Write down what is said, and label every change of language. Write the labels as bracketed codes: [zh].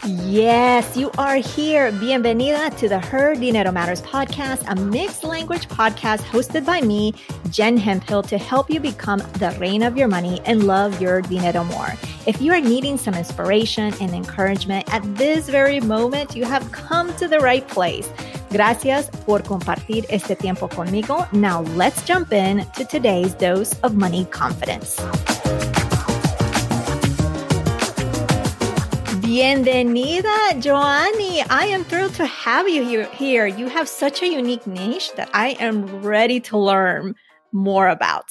[en] Yes, you are here. Bienvenida to the Her Dinero Matters podcast, a mixed language podcast hosted by me, Jen Hemphill, to help you become the reina of your money and love your dinero more. If you are needing some inspiration and encouragement at this very moment, you have come to the right place. [es] Gracias por compartir este tiempo conmigo. [en] Now let's jump in to today's dose of money confidence. Bienvenida, Joanny. I am thrilled to have you here. You have such a unique niche that I am ready to learn more about.